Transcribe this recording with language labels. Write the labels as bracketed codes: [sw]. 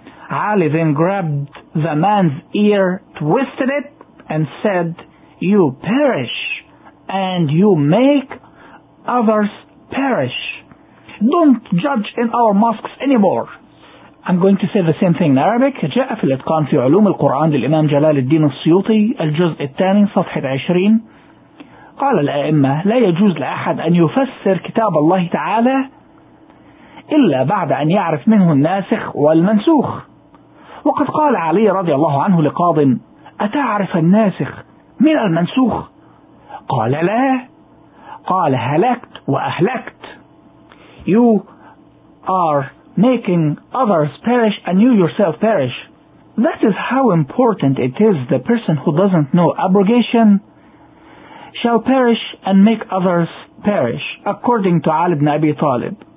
[en] Ali then grabbed the man's ear, twisted it, and said, "You perish, and you make others perish. Don't judge in our mosques anymore." I'm going to say the same thing in Arabic. [ar] جاء في الإتقان في علوم القرآن للإمام جلال الدين السيوطي الجزء الثاني صفحة 20. قال الأئمة لا يجوز لأحد أن يفسر كتاب الله تعالى إلا بعد أن يعرف منه الناسخ والمنسوخ. وقد قال علي رضي الله عنه لقاض: أتعرف الناسخ من المنسوخ؟ قال لا، قال هلكت وأهلكت. [en] You are making others perish and you yourself perish. That is how important it is the person who doesn't know abrogation shall perish and make others perish, according to Ali ibn Abi Talib.